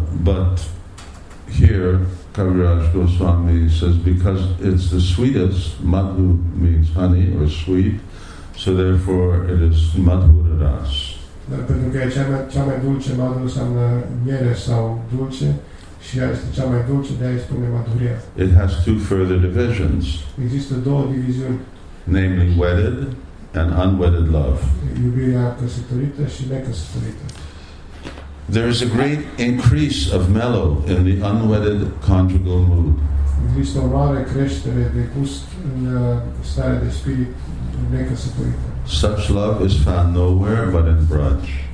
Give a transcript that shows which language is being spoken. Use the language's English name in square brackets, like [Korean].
[English] But here, Kaviraj Goswami says, because it's the sweetest, Madhu means honey or sweet, so therefore it is Madhura Ras. [Romanian] Dar pentru că e cea mai dulce, madhu înseamnă miere sau dulce, și ea este cea mai dulce, de aia spune maduria. [English] It has two further divisions. [Romanian] Există două diviziuni. [English] Namely, wedded and unwedded love. [Romanian] Iubirea căsătorită și necăsătorită. [English] There is a great increase of mellow in the unwedded conjugal mood. [Romanian] Există o mare creștere de gust în starea de spirit necăsătorită. [English] Such love is found nowhere but in Braj.